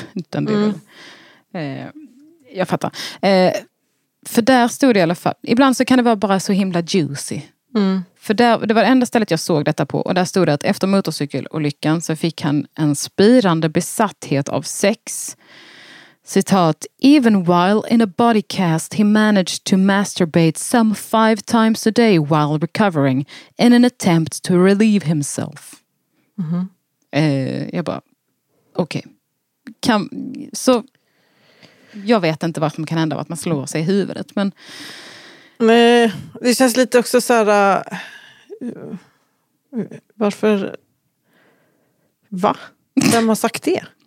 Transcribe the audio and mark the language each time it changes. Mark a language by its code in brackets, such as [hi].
[sv] Utan det är jag fattar. För där stod det i alla fall. Ibland så kan det vara bara så himla juicy. Mm. För där, det var det enda stället jag såg detta på. Och där stod det att efter motorcykelolyckan så fick han en spirande besatthet av sex. Citat, [en] even while in a body cast he managed to masturbate some 5 times a day while recovering in an attempt to relieve himself. [sv] Jag bara, okej. [en] Okay. [sv] Så jag vet inte vad som kan hända, vad man slår sig i huvudet, men nej, det känns lite också så här, varför, va? Vem har sagt det?